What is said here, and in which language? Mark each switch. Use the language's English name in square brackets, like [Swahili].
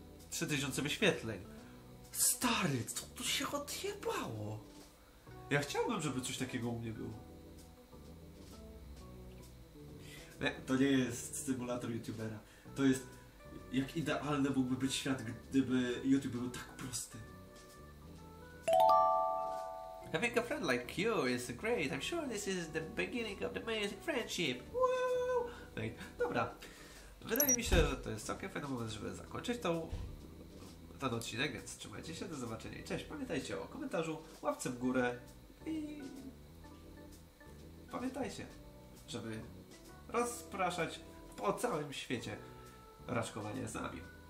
[Polish] 3000 wyświetleń. Stary, co tu się odjebało? Ja chciałbym, żeby coś takiego u mnie było. Nie, to nie jest symulator YouTubera. To jest, jak idealny mógłby być świat, gdyby YouTube był tak prosty. [English] Having a friend like you is great. I'm sure this is the beginning of the amazing friendship. Wow! [Polish] Dobra. Wydaje mi się, że to jest całkiem fajny moment, żeby zakończyć tą... ten odcinek, więc trzymajcie się, do zobaczenia i cześć. Pamiętajcie o komentarzu, łapce w górę i... pamiętajcie, żeby rozpraszać po całym świecie raczkowanie z nami.